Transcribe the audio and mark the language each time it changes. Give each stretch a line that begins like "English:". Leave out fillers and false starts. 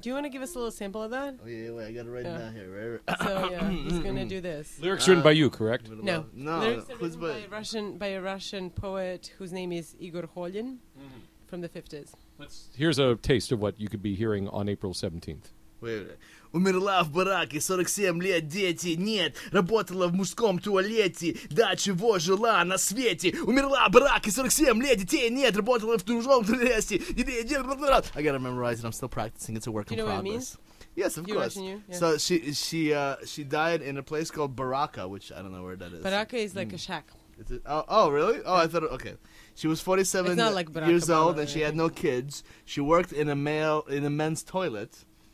English: Do you want to give us a little sample of that? Oh, yeah, wait, I got it written down here. Right? So, yeah, he's going to do this. Lyrics written by you, correct? No. Lyrics written by a Russian poet whose name is Igor Holin from the 50s. Here's a taste of what you could be hearing on April 17th.
Russian: Умерла в бараке, 47 лет, дети нет. Работала в мужском туалете, да, чего жила на свете. Умерла в бараке, 47 лет, детей нет. Работала в мужском туалете, дети нет.
English: I gotta memorize it, I'm still practicing, it's a work in You know what it means? Yes, of course. So she died in a place called Baraka, which I don't know where that is. Baraka is like a shack. Oh, really? Oh, I thought, okay. She was 47 like years old, and she had no kids. She worked in a men's toilet.